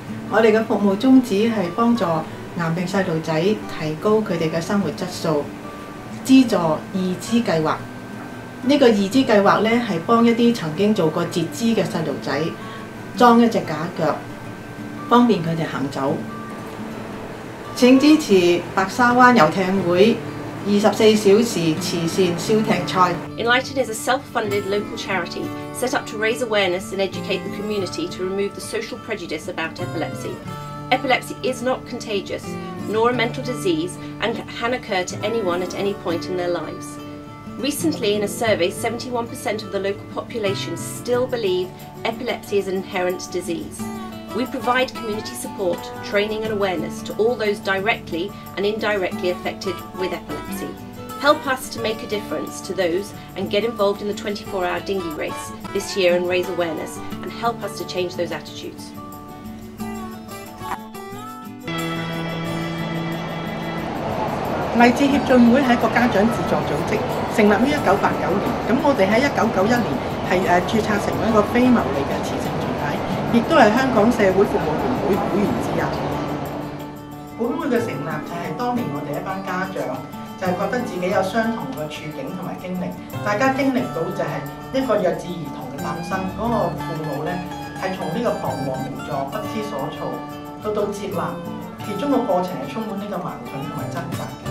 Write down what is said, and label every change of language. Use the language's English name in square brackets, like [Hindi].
[Cantonese] 我們的服務宗旨是幫助癌病細路仔提高他們的生活質素，資助義肢計劃。這個義肢計劃是幫一些曾經做過截肢的細路仔裝一隻假腳，方便他們行走。請支持白沙灣遊艇會 [English] Enlighten is a self-funded local charity set up to raise awareness and educate the community to remove the social prejudice about epilepsy. Epilepsy is not contagious, nor a mental disease, and can occur to anyone at any point in their lives. Recently, in a survey, 71% of the local population still believe epilepsy is an inherent disease. We provide community support, training and awareness to all those directly and indirectly affected with epilepsy. Help us to make a difference to those and get involved in the 24-hour dinghy race this year and raise awareness and help us to change those attitudes. The 6th 7th is a parent-owned organization. [Cantonese] 亦都係香港社會服務聯會會員之一。本會嘅成立就係當年我哋一班家長就係覺得自己有相同嘅處境同埋經歷，大家經歷到就係一個弱智兒童嘅誕生，嗰個父母咧係從呢個彷徨無助、不知所措，到到接納，其中嘅過程係充滿呢個矛盾同埋掙扎嘅。